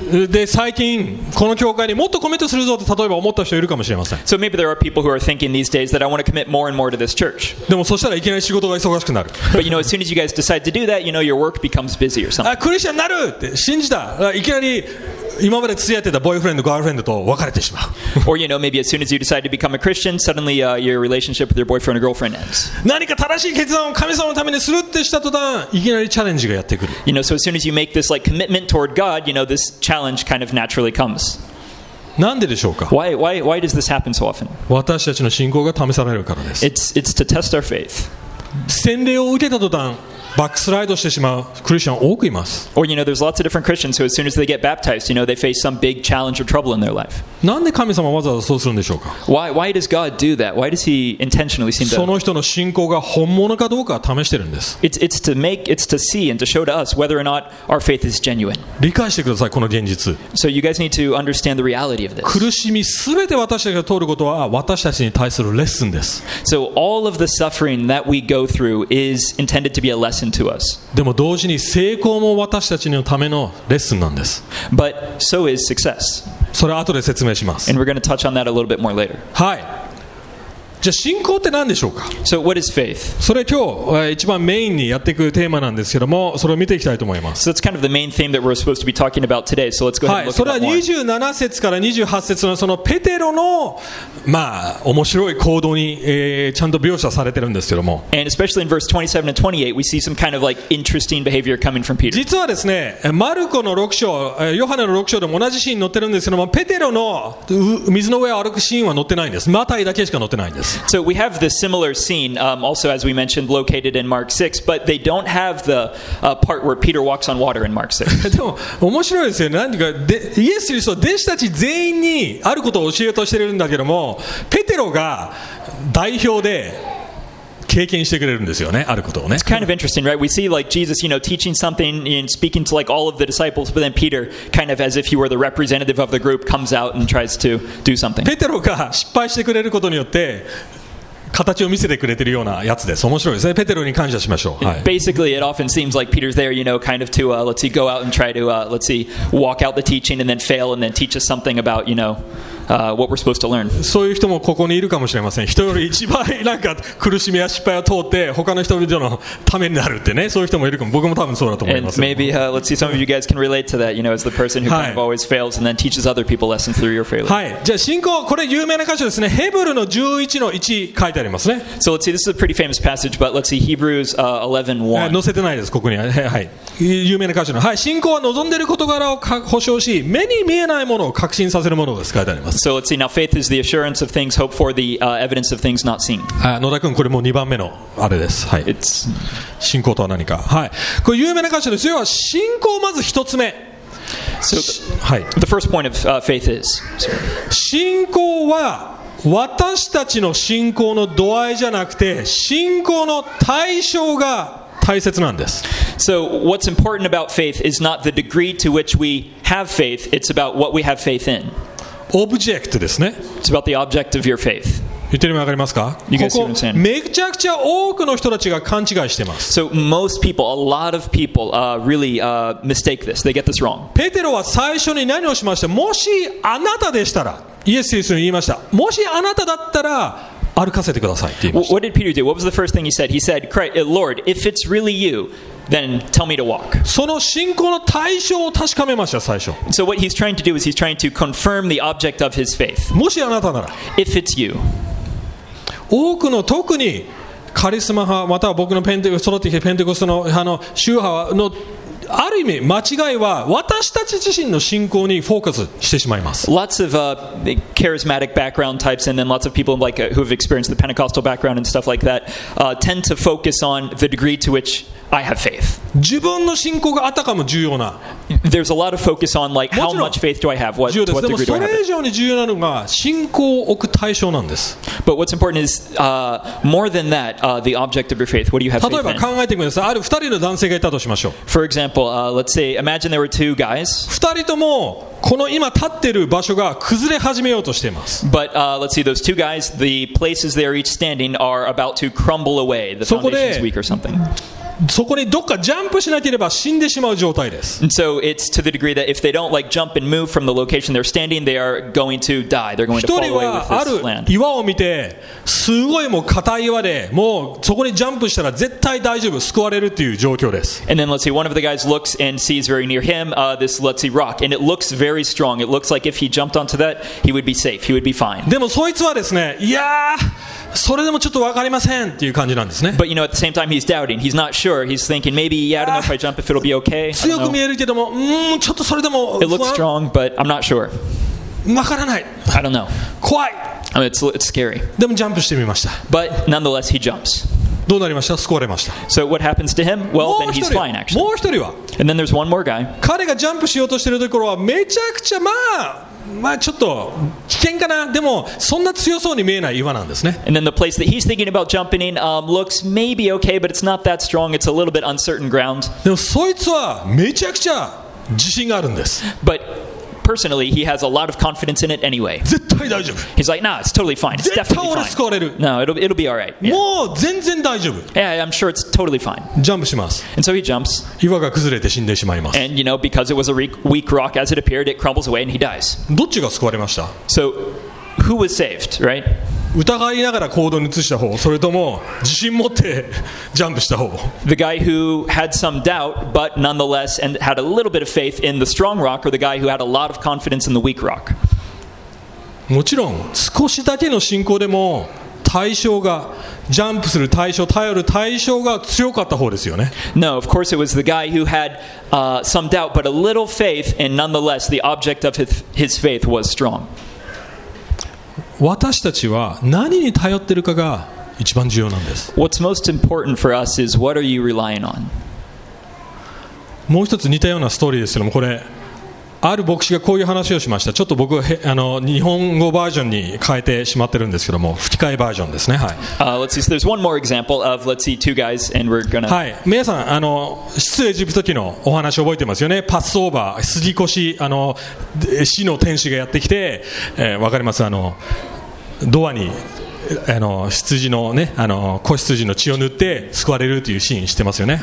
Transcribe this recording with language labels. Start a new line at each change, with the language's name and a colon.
Japanese: で最近この教会にもっとコミットするぞと例えば思った人いるかもしれません。
English: So maybe there are people who are thinking these days that I want to commit more and more to this church.
Japanese: でもそしたらいきなり仕事が忙しくなる。
English: But you know, as soon as you guys decide to do that, you know, your work becomes busy or something.
Japanese: あ、クリスチャンになるって信じた。いきなり今まで付き合ってたボーイフレンド、ガールフレンドと別れてしまう。
English: Or you know, maybe as soon as you decide to become a Christian, suddenly, your relationship with your boyfriend or girlfriend ends.
Japanese: 何か正しい決断を神様のためにするってした途端、いきなりチャレンジがやってくる。
English: You know, so as soon as you make this like commitment toward God, you know, this challenge kind of naturally comes.
Japanese: なんででしょうか?
English: Why does this happen so often?
Japanese: 私たちの信仰が試されるからです。
English: It's to test our faith.
Japanese: 洗礼を受けた途端、バックスライドしてしまうクリスチャン多くいます。
English: Or you know, there's lots of different Christians who, as soon as they get baptized, you know, they face some big challenge or trouble in their life.
Japanese: なんで神様わざわざそうするんでしょうか?
English: Why does God do that? Why does He intentionally seem to?
Japanese: その人の信仰が本物かどうか試してるんです。
English: It's to see and to show to us whether or not our faith is genuine.
Japanese: 理解してください、この現実。
English: So you guys need to understand the reality of this.
Japanese: 苦しみすべて私たちが通ることは私たちに対するレッスンです。
English: So all of the suffering that we go through is intended to be a lesson. To us.
Japanese: でも同時に成功も私たちのためのレッスンなんです。
English: But so is success.
Japanese: それは後で説明します。
English: And we're going to touch on that a little bit more later.
Japanese: はい。じゃあ信仰って何でしょうか?
English: So what is faith?
Japanese: それ今日一番メインにやっていくテーマなんですけども、それを見ていきたいと思います。
English: So that's kind of the main theme that we're supposed to be talking about today. So let's go ahead and look at
Japanese: それは27節から28節のそのペテロの、まあ、面白い行動に、ちゃんと描写されてるんですけども。
English: And especially in verse 27 and 28, we see some kind of like interesting behavior coming from Peter.
Japanese: 実はですね、マルコの6章、ヨハネの6章でも同じシーン載ってるんですけども、ペテロの水の上を歩くシーンは載ってないんです。マタイだけしか載ってないんです。
English: So we have the similar scene, also as we mentioned, located in Mark 6, but they don't have the part where Peter walks on water in Mark 6.
Japanese: でも面白いですよ。なんかイエスキリスト弟子たち全員にあることを教えようとしているんだけども、ペテロが代表で。経験してくれるんですよね、あることをね。
English: It's kind of interesting, right? We see like Jesus, you know, teaching something and speaking to like all of the disciples, but then Peter, kind of as if he were the representative of the group, comes out and tries to do something.
Japanese: ペテロが失敗してくれることによって形を見せてくれてるようなやつです。面白いですね。ペテロに感謝しましょう。はい、
English: Basically, it often seems like Peter's there, you know, kind of to let's see, go out and try to let's see, walk out the teaching and then fail and then teach us something about, you know. What we're supposed to learn.
Japanese: そういう人もここにいるかもしれません。人より一番なんか苦しみや失敗を通って他の人々のためになるってね。そういう人もいるかも。僕も多分そうだと思います。
English: And maybe let's see some of you guys can relate to that. You know, as the person who kind of always fails and then teaches other people lessons through your failure.
Japanese: はい。じゃあ信仰これ有名な箇所ですね。ヘブルの11の1書いてありますね。
English: So let's see, this is a pretty famous passage, but let's see Hebrews 11:1.
Japanese: 載せてないですここには。はい。有名な箇所の。はい。信仰は望んでいる事柄を保証し、目に見えないものを確信させるものです。書いてあります。
English: So let's see. Now, faith is the assurance of things hoped for, the evidence of things not seen.
Japanese: 野田君、これもう2番目のあれです。はい。
English: It's
Japanese: 信仰とは何か。はい。これ有名な箇所です。要は信仰まず一つ目。
English: So,
Japanese: はい。
English: The first point of faith is
Japanese: 信仰は私たちの信仰の度合いじゃなくて信仰の対象が大切なんです。
English: So what's important about faith is not the degree to which we have faith. It's about what we have faith in.
Japanese: オブジェクトですね。
English: It's about the object of your faith.
Japanese: 言ってるのわかりますか？
English: You guys see what I'm saying?
Japanese: ここめちゃくちゃ多くの人たちが勘違いしてます。
English: So most people, a lot of people, really mistake this. They get this wrong.
Japanese: ペテロは最初に何をしました？もしあなたでしたら、イエス・キリストに言いました。もしあなただったら、歩かせてくださいって言いました。
English: What did Peter do? What was the first thing he said? He said, "Lord, if it's really you." Then tell me to walk.
Japanese: その信仰の対象を確かめました最初。
English: So what he's trying to do is he's trying to confirm the object of his faith.
Japanese: もしあなたなら。
English: If it's you.
Japanese: 多くの特にカリスマ派または僕のペンテコステのペンテコステの派の宗派のある意味間違いは私たち自身の信仰にフォーカスしてしまいます。
English: Lots of charismatic background types and then lots of people like who have experienced the Pentecostal background and stuff like that tend to focus on the degree to which I have faith.
Japanese: 自分の信仰があたかも重要な。
English: There's a lot of focus on like how much faith do I have? What degree do I have?
Japanese: 重要です。でもそれ以上に重要なのが信仰を置く対象なんです。
English: But what's important is more than that, the object of your faith. What do you have faith in?
Japanese: 例えば考えてみてください。ある二人の男性がいたとしましょう。
English: For example, let's say, imagine there were two guys.
Japanese: 二人ともこの今立っている場所が崩れ始めようとしています。
English: But let's see, those two guys, the places they are each standing are about to crumble away. The foundation is weak or something.
Japanese: そこにどっかジャンプしなければ死んでしまう状態です。
English: And so it's to the degree that if they don't like jump and move from the location they're standing, they are going to die. They're going to fall away with this land.
Japanese: 一人はある岩を見て、すごいもう硬い岩で、もうそこにジャンプしたら絶対大丈夫、救われるっていう状況です。
English: And then let's see, one of the guys looks and sees very near him, this let's see rock, and it looks very strong. It looks like if he jumped onto that, he would be safe. He would be fine.
Japanese: でもそいつはですね、いやー。それでもちょっとわかりませんっていう感じなんですね。
English: But you know, at the same time, he's doubting. He's not sure. He's thinking maybe, yeah, I don't know if I jump if it'll be okay.
Japanese: 強く見えるけども、ちょっとそれでも。
English: It looks strong, but I'm not sure.
Japanese: わからない。
English: I don't know.
Japanese: 怖い。
English: I mean, it's scary.
Japanese: でもジャンプしてみました。
English: But nonetheless, he jumps.
Japanese: どうなりました？救われました。
English: So what happens to him? Well, then he's fine, actually.
Japanese: もう一人は。
English: And then there's one more guy.
Japanese: 彼がジャンプしようとしているところはめちゃくちゃまあ。まあちょっと危険かな。でもそんな強そうに見えない岩なんですね。
English: And then the place that he's thinking about jumping in looks maybe okay, but it's not that strong. It's a little bit uncertain ground.
Japanese: でもそいつはめちゃくちゃ自信があるんです。
English: But personally, he has a lot of confidence in it anyway.
Japanese: 絶対大丈夫。
English: He's like, nah, it's totally fine. It's definitely fine.
Japanese: 絶対俺救われる。
English: No, it'll be all right.
Japanese: Yeah. もう全然大丈夫。
English: Yeah, I'm sure it's totally fine.
Japanese: ジャンプします。
English: And so he jumps.
Japanese: 岩が崩れて死んでしまいます。
English: And you know, because it was a weak rock, as it appeared, it crumbles away and he dies.
Japanese: どっちが救われました？
English: So, who was saved, right?
Japanese: 疑いながら行動に移した方、それとも自信持ってジャンプした方。
English: The guy who had some doubt, but nonetheless, and had a little bit of faith in the strong rock, or the guy who had a lot of confidence in the weak rock.
Japanese: もちろん、少しだけの信仰でも対象がジャンプする対象、頼る対象が強かった方ですよね。
English: No, of course it was the guy who had some doubt, but a little faith, and nonetheless, the object of his faith was strong.
Japanese: 私たちは何に頼ってるかが一番重要なんです。
English: What's most important for us is what are you relying on?
Japanese: もう一つ似たようなストーリーですけども、これある牧師がこういう話をしました。ちょっと僕あの日本語バージョンに変えてしまってるんですけども、吹き替えバージョンですね。はい。
English: Let's see. So there's one more example of let's see two guys and we're gonna.
Japanese: はい。皆さんあの出エジプト記のお話覚えてますよね。パスオーバー、過ぎ越し、あの死の天使がやってきて、わかります。あのドアに。あの羊のね、あの子羊の血を塗って救われるというシーンしてますよね。